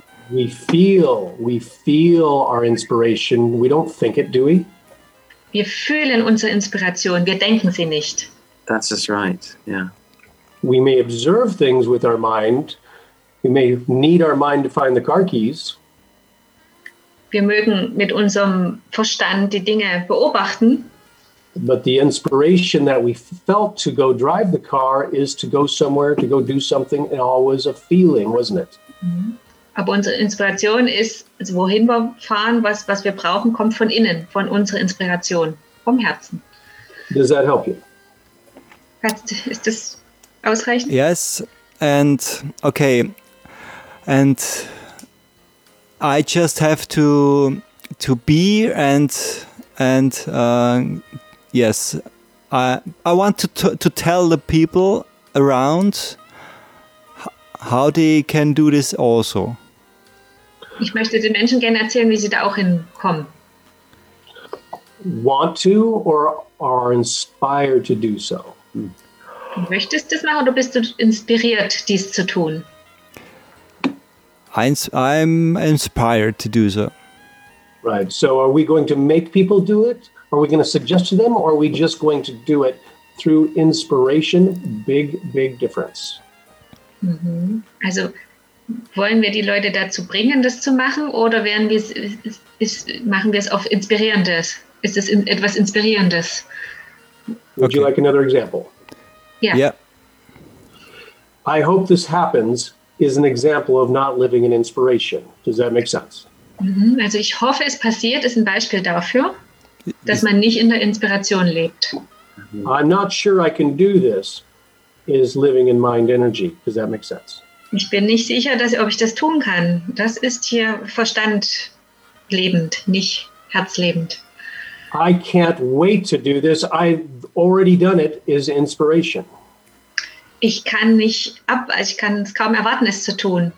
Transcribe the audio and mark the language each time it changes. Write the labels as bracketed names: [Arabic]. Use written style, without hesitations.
[English] We feel our inspiration. We don't think it, do we? [German] Wir fühlen unsere Inspiration. Wir denken sie nicht. [English] That's just right, yeah. We may observe things with our mind. We may need our mind to find the car keys. [German] Wir mögen mit unserem Verstand die Dinge beobachten. [English] But the inspiration that we felt to go drive the car is to go somewhere, to go do something. It always a feeling, wasn't it? [German] Aber unsere Inspiration ist, also wohin wir fahren, was wir brauchen, kommt von innen, von unserer Inspiration, vom Herzen. [English] Does that help you? [German] Ist das ausreichend? [English] Yes, and okay, and I just have to be and yes, I want to tell the people around how they can do this also. [German] Ich möchte den Menschen gerne erzählen, wie sie da auch hinkommen. [English] Want to or are inspired to do so? [German] Du möchtest das machen oder bist du inspiriert, dies zu tun? [English] I'm inspired to do so. Right, so are we going to make people do it? Are we going to suggest to them or are we just going to do it through inspiration? Big, big difference. Mm-hmm. [German] Also, wollen wir die Leute dazu bringen, das zu machen oder werden wir machen wir es auf Inspirierendes? Ist es etwas Inspirierendes? [English] Okay. Would you like another example? Yeah. Yeah. I hope this happens is an example of not living in inspiration. Does that make sense? Mm-hmm. [German] Also, ich hoffe, es passiert ist ein Beispiel dafür, dass man nicht in der Inspiration lebt. [English] I'm not sure I can do this is living in mind energy. Does that make sense? [German] Ich bin nicht sicher, dass, ob ich das tun kann. Das ist hier Verstand lebend, nicht herzlebend. [English] I can't wait to do this. I've already done it is inspiration. [German] Ich kann nicht ab, also ich kann es kaum erwarten, es zu tun.